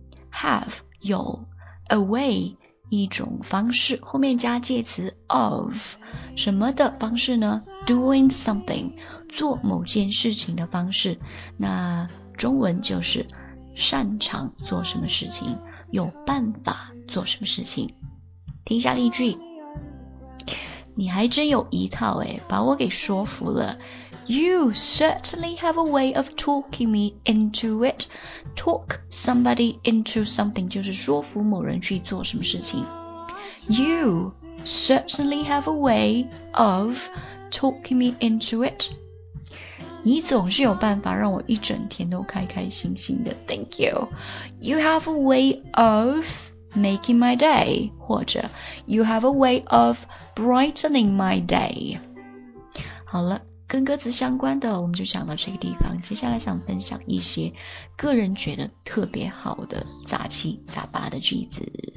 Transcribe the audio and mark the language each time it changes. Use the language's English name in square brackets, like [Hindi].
[Chinese] have 有 a way。一种方式，后面加介词 of 什么的方式呢？ [English] doing something [Chinese] 做某件事情的方式，那中文就是擅长做什么事情，有办法做什么事情。听一下例句，你还真有一套诶，把我给说服了。 [English] You certainly have a way of talking me into it. Talk somebody into something [Chinese] 就是说服某人去做什么事情。 [English] You certainly have a way of talking me into it. [Chinese] 你总是有办法让我一整天都开开心心的。 [English] Thank you. You have a way of making my day. 或者 You have a way of brightening my day. [Chinese] 好了。跟歌词相关的我们就讲到这个地方，接下来想分享一些个人觉得特别好的杂七杂八的句子。